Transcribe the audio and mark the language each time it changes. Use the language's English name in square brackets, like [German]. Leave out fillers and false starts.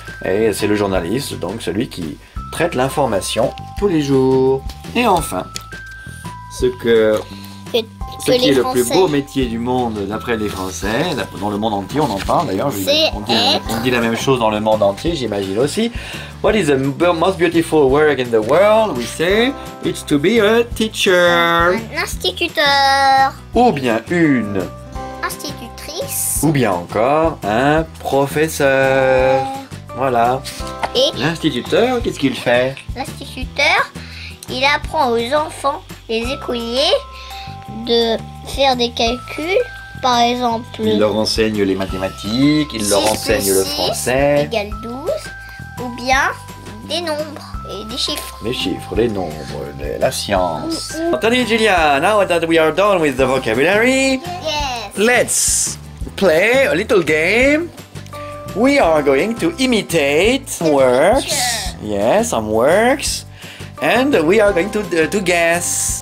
[French] Et c'est le journaliste, donc celui qui traite l'information tous les jours. Et enfin... Ce qui est le plus beau métier du monde d'après les Français, dans le monde entier on en parle d'ailleurs, on dit la même chose dans le monde entier, j'imagine aussi. [English] What is the most beautiful work in the world? We say it's to be a teacher. [French] Un instituteur. Ou bien une institutrice. Ou bien encore un professeur. Voilà. Et l'instituteur, qu'est-ce qu'il fait? L'instituteur, il apprend aux enfants, les écoliers, de faire des calculs, par exemple. Il leur enseigne les mathématiques, il leur enseigne le français. 6 égale 12, ou bien des nombres et des chiffres. Les chiffres, les nombres, la science. [English] Anthony et Julia, now that we are done with the vocabulary, yes. Let's play a little game. We are going to imitate the works. Teacher. Yes, some works. And we are going to guess.